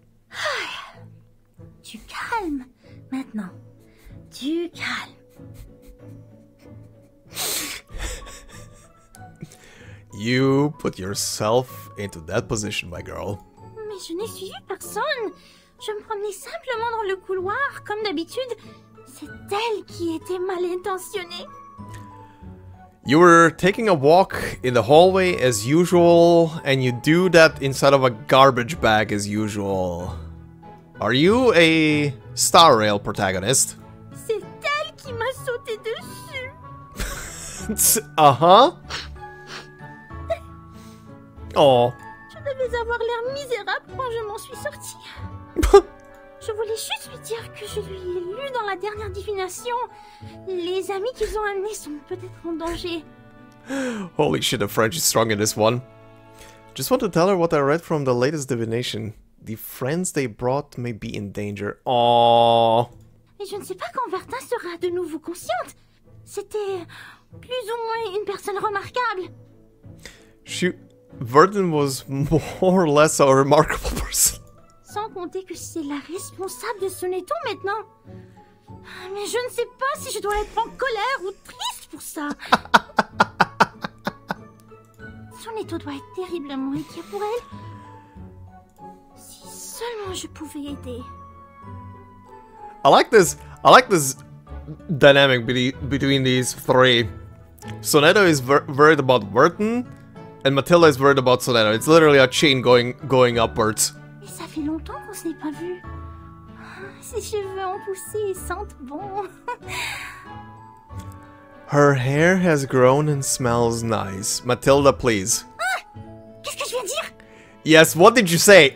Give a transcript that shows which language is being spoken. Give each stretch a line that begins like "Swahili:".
French: Hi. Tu calme maintenant. Tu calme.
English: You put yourself into that position, my girl.
French: Mais je n'ai suivi personne. Je me promenais simplement dans le couloir, comme d'habitude. C'est elle qui était mal intentionnée.
English: You were taking a walk in the hallway as usual, and you do that inside of a garbage bag as usual. Are you a Star Rail protagonist?
French: C'est elle qui qui m'a sauté dessus. Oh. Je devais avoir l'air misérable quand je m'en suis sortie. Je voulais juste lui dire que je lui ai lu dans la dernière divination. Les amis qu'ils ont amenés sont peut-être en danger.
English: Holy shit, the French is strong in this one. Just want to tell her what I read from the latest divination. The friends they brought may be in danger. Aww.
French: Mais je ne sais pas quand Vertin sera de nouveau consciente. C'était plus ou moins une personne remarquable.
English: Vertin was more or less a remarkable person.
French: Sans compter que c'est la responsable de Sonetto maintenant. Mais je ne sais pas si je dois être en colère ou triste pour ça. Sonetto doit être terriblement inquiet pour elle. Si seulement je pouvais aider.
English: I like this dynamic between these three. Sonetto is worried about Vertin, and Matilda is worried about Sonetto. It's literally a chain going upwards.
French: Mais ça fait longtemps qu'on se n'est pas vu. Ses cheveux ont poussé et sentent bon.
English: Her hair has grown and smells nice. Matilda, please.
French: Ah, qu'est-ce que je viens de dire?
English: Yes, what did you say?